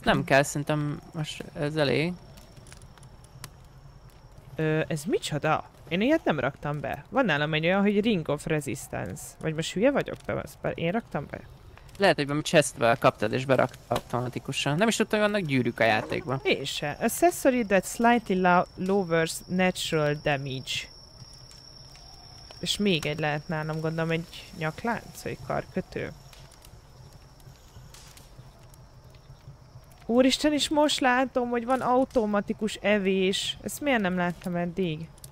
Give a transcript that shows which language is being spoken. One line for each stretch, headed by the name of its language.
Hungarian: Nem kell, szerintem most ez elég. Ez micsoda? Én ilyet nem raktam be. Van nálam egy olyan, hogy Ring of Resistance. Vagy most hülye vagyok be, mert én raktam be? Lehet, hogy chestbe kaptad és beraktad automatikusan. Nem is tudtam, hogy vannak gyűrűk a játékban. Én se.
English: Accessory that slightly lowers natural damage.
Hungarian: És még egy lehet nálam, gondolom, egy nyaklánc, vagy karkötő. Úristen, is most látom, hogy van automatikus evés. Ezt miért nem láttam eddig?